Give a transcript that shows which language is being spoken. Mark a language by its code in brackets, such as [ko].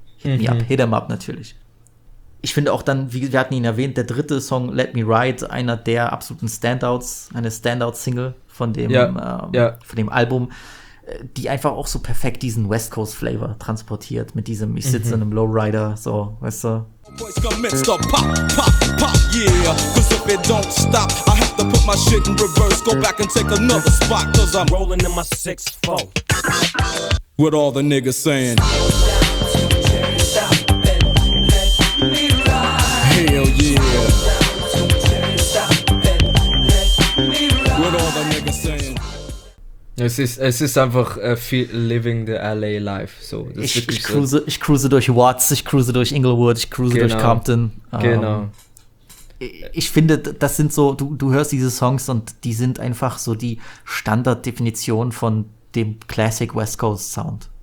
[de] Hit Me Up natürlich. Ich finde auch dann, wie wir hatten ihn erwähnt, der dritte Song Let Me Ride, einer der absoluten Standouts, eine Standout-Single von dem von dem Album, die einfach auch so perfekt diesen West Coast Flavor transportiert mit diesem ich sitze in einem Lowrider so, weißt du. [en] Boys commenced to pop, pop, pop, yeah. Cause if it don't stop, I have to put my shit in reverse. Go back and take another spot, cause I'm rolling in my 6'4". What all the niggas saying? Hell yeah. What all the niggas saying? [de] Es ist einfach viel [en] living the LA life. [de] So, das ich cruise durch Watts, ich cruise durch Inglewood, ich cruise durch Compton. Genau. Ich finde, das sind so, du hörst diese Songs und die sind einfach so die Standarddefinition von dem Classic West Coast Sound.